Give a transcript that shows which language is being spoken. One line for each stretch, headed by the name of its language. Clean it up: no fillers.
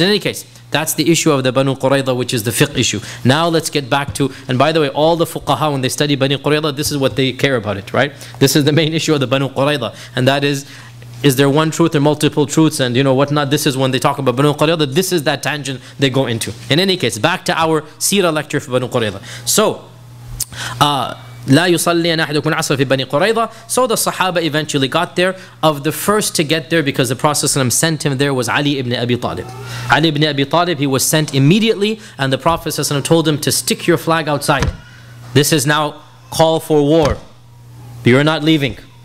English: In any case, that's the issue of the Banu Quraydha, which is the fiqh issue. Now let's get back to, and by the way, all the fuqaha, when they study Banu Quraydha, this is what they care about it, right? This is the main issue of the Banu Quraydha, and that is there one truth or multiple truths and you know whatnot? This is when they talk about Banu Quraydha, this is that tangent they go into. In any case, back to our seerah lecture for Banu Quraydha.
Arabic: So, لا يصلي أحدكم عصر في بني قريظة.
English: So the Sahaba eventually got there. Of the first to get there, because the Prophet ﷺ sent him there, was Ali ibn Abi Talib. Ali ibn Abi Talib, he was sent immediately, and the Prophet ﷺ told him to stick your flag outside. This is now call for war. You're not leaving.